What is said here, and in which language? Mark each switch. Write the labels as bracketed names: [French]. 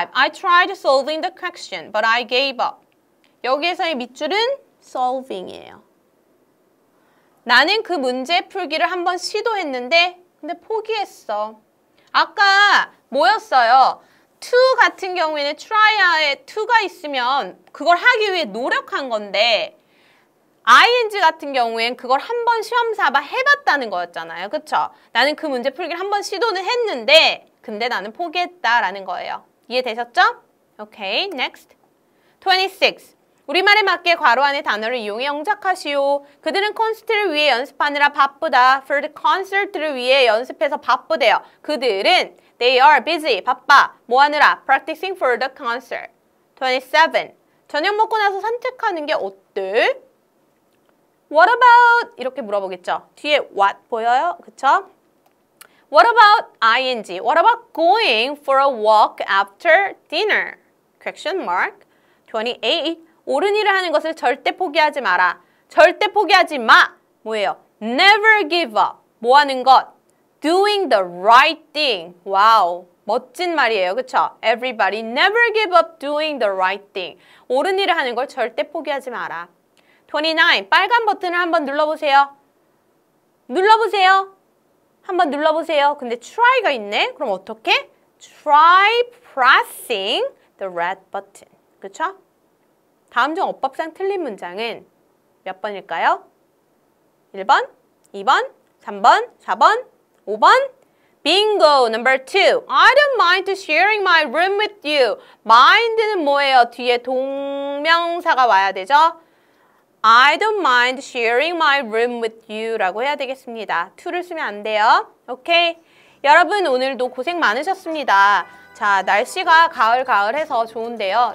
[English] I tried solving the question, but I gave up. [Korean] 여기에서의 밑줄은 solving이에요. 나는 그 문제 풀기를 한번 시도했는데 근데 포기했어. 아까 뭐였어요? to 같은 경우에는 try에 to가 있으면 그걸 하기 위해 노력한 건데 ing 같은 경우엔 그걸 한번 시험 삼아 해봤다는 거였잖아요. 그렇죠? 나는 그 문제 풀기를 한번 시도는 했는데 근데 나는 포기했다라는 거예요. 이해되셨죠? [English] Okay, next. 26. [Korean] 우리말에 맞게 괄호 안에 단어를 이용해 영작하시오. 그들은 콘서트를 위해 연습하느라 바쁘다. For the concert를 위해 연습해서 바쁘대요. 그들은 [English] they are busy, [Korean] 바빠. 뭐 하느라? [English] Practicing for the concert. 27. [Korean] 저녁 먹고 나서 산책하는 게 어때? [English] What about? [Korean] 이렇게 물어보겠죠. 뒤에 what 보여요? 그쵸? [English] What about ing? What about going for a walk after dinner? Question mark. 28. [Korean] 옳은 일을 하는 것을 절대 포기하지 마라. 절대 포기하지 마. 뭐예요? [English] Never give up. [Korean] 뭐 하는 것? [English] Doing the right thing. [Korean] 와우. 멋진 말이에요. 그쵸? [English] Everybody never give up doing the right thing. [Korean] 옳은 일을 하는 걸 절대 포기하지 마라. 29. 빨간 버튼을 한번 눌러보세요. 눌러보세요. 한번 눌러보세요. 근데 try가 있네. 그럼 어떻게? [English] Try pressing the red button. [Korean] 그쵸? 다음 중 어법상 틀린 문장은 몇 번일까요? 1번, 2번, 3번, 4번, 5번. [English] Bingo, number 2. I don't mind sharing my room with you. [Korean] Mind는 뭐예요? 뒤에 동명사가 와야 되죠? [English] I don't mind sharing my room with you [Korean] 라고 해야 되겠습니다. 2를 쓰면 안 돼요. 오케이. 여러분 오늘도 고생 많으셨습니다. 자, 날씨가 가을가을해서 좋은데요.